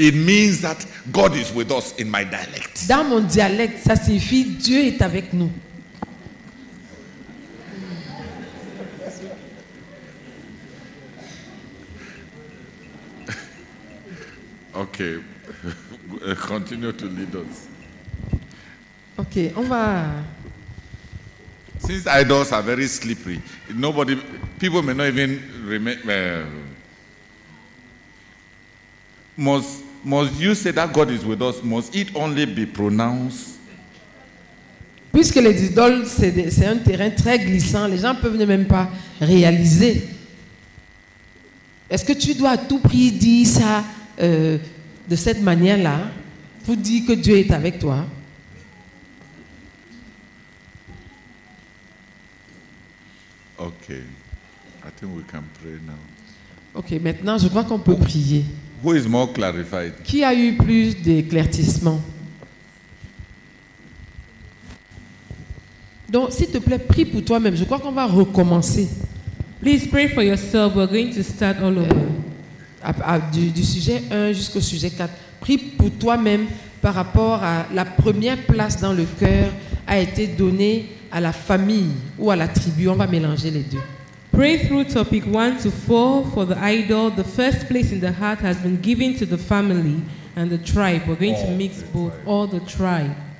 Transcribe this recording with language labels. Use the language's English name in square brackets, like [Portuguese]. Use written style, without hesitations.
[English] It means that God is with us in my dialect. [French] Dans mon dialecte, ça signifie Dieu est avec nous. [English] Okay. Continue to lead us. [French] Okay, on va. [English] Since idols are very slippery, people may not even remain. Must you say that God is with us? Must it only be pronounced? [French] Puisque les idoles, c'est un terrain très glissant, les gens peuvent ne même pas réaliser. Est-ce que tu dois à tout prix dire ça de cette manière-là pour dire que Dieu est avec toi? [English] Okay, I think we can pray now. [French] Okay, maintenant je crois qu'on peut prier. [English] Who is more clarified? [French] Qui a eu plus d'éclaircissement? Donc, s'il te plaît, prie pour toi-même. Je crois qu'on va recommencer. [English] Please pray for yourself. We're going to start all over. [French] Du sujet 1 jusqu'au sujet 4. Prie pour toi-même par rapport à la première place dans le cœur a été donnée à la famille ou à la tribu. On va mélanger les deux. [English] Pray through topic 1 to 4 for the idol. The first place in the heart has been given to the family and the tribe. We're going to mix both, all the tribe.